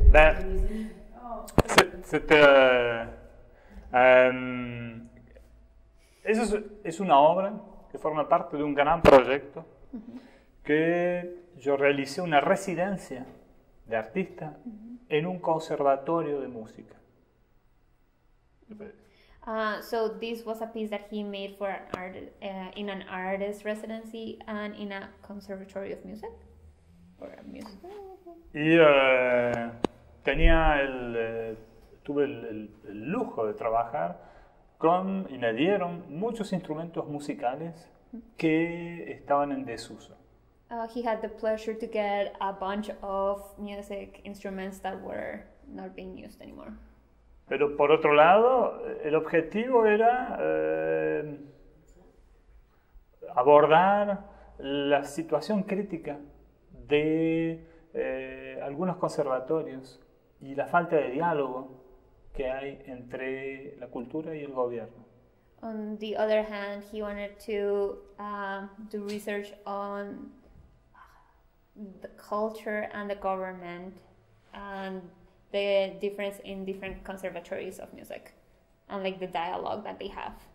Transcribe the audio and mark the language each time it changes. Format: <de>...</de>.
<es>Ben, es una obra que forma parte de un gran proyecto que yo realicé una residencia de artista en un conservatorio de música.</es> <en>So this was a piece that he made for an art in an artist residency and in a conservatory of music.</en> <es>Y tenía el tuve el lujo de trabajar con y me dieron muchos instrumentos musicales que estaban en desuso.</es> <en>He had the pleasure to get a bunch of music instruments that were not being used anymore.</en> <es>Pero por otro lado, el objetivo era abordar la situación crítica de algunos conservatorios y la falta de diálogo que hay entre la cultura y el gobierno.</es> <en>On the other hand, he wanted to do research on the culture and the government and the difference in different conservatories of music and like the dialogue that they have.</en>